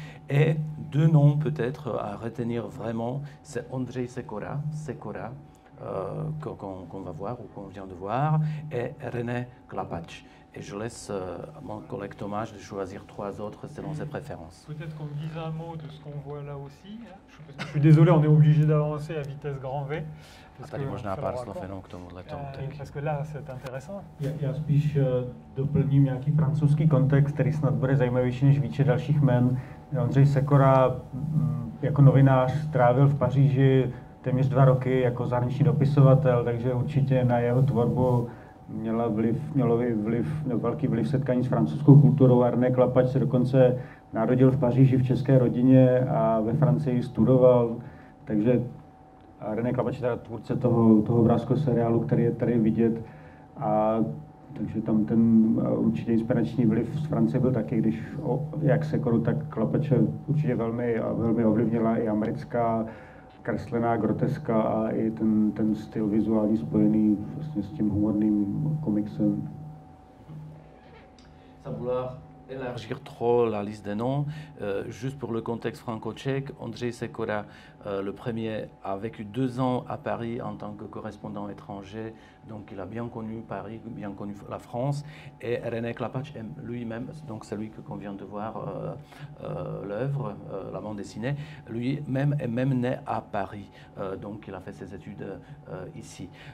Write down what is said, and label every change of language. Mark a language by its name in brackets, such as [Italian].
[French] Et deux noms, peut-être, à retenir vraiment, c'est Ondřej Sekora, qu'on va voir, ou qu'on vient de voir, et René Klapač. Et je laisse mon collègue Tomáš de choisir trois autres selon ses préférences. Peut-être qu'on dise un mot de ce qu'on voit là aussi. Je suis désolé, on est obligé d'avancer à vitesse grand V. [Czech] Tady možná pár slov jenom k tomuhle tomu. [French] Parce que là, c'est intéressant. [Czech] Já spíš doplním nějaký francouzský kontext, který snad bude zajímavější než výčet dalších jmen. Ondřej Sekora jako novinář strávil v Paříži téměř dva roky jako zahraniční dopisovatel, takže určitě na jeho tvorbu měl velký vliv setkání s francouzskou kulturou. René Klapač se dokonce narodil v Paříži v české rodině a ve Francii studoval. Takže René Klapač je teda tvůrce toho obrázkového seriálu, který je tady vidět. A takže tam ten určitě inspirační vliv z Francie byl taky, když jak Sekoru, tak Klapače určitě velmi, velmi ovlivnila i americká kreslená groteska a i ten styl vizuální spojený vlastně s tím humorným komiksem. [French] Élargir trop la liste des noms, juste pour le contexte franco-tchèque, Ondřej Sekora, le premier, a vécu deux ans à Paris en tant que correspondant étranger, donc il a bien connu Paris, bien connu la France, et René Klapač lui-même, donc c'est lui qu'on vient de voir l'œuvre, la bande dessinée, lui-même est même né à Paris, donc il a fait ses études ici.